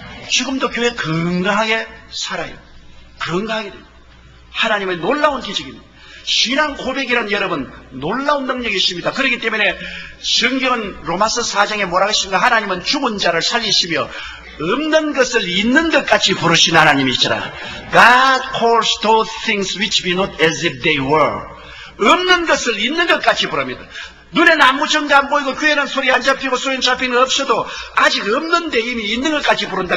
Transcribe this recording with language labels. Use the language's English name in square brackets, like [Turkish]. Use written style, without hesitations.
[Korean] 지금도 교회 건강하게 살아요. 건강하게 돼요. 하나님의 놀라운 기적입니다. 신앙 고백이란 여러분 놀라운 능력이 있습니다. 그렇기 때문에 성경은 로마서 4장에 뭐라고 했습니까? 하나님은 죽은 자를 살리시며 없는 것을 있는 것 같이 부르신 하나님이시라. [English] God calls those things which be not as if they were. [Korean] 없는 것을 있는 것 같이 부릅니다. 눈에는 아무 증거 안 보이고 귀에는 소리 안 잡히고 소리 잡히는 거 없어도 아직 없는데 이미 있는 것 같이 부른다.